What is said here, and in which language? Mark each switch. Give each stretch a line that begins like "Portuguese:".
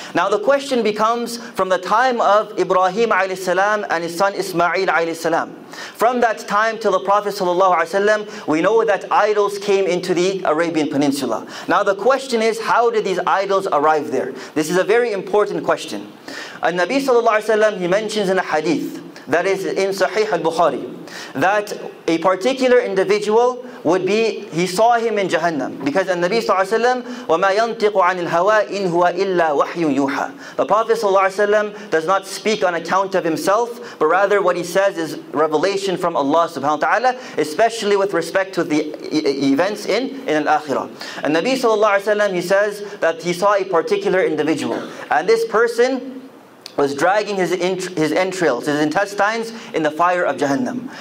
English: Now the question becomes, from the time of Ibrahim alayhi salam and his son Ismail alayhi salam, from that time till the Prophet ﷺ, we know that idols came into the Arabian Peninsula. Now the question is, how did these idols arrive there? This is a very important question. And Nabi ﷺ, he mentions in a hadith that is in Sahih al-Bukhari, that a particular individual would be, he saw him in Jahannam. Because the Nabi ﷺ,
Arabic: وَمَا يَنْتِقُ عَنِ الْهَوَىٰ إِنْ هُوَ إِلَّا وَحْيٌ يُوحَىٰ.
English: The Prophet ﷺ does not speak on account of himself, but rather what he says is revelation from Allah subhanahu wa ta'ala, especially with respect to the events in Al-Akhirah. And Nabi ﷺ, he says that he saw a particular individual. And this person was dragging his entrails, his intestines, in the fire of Jahannam.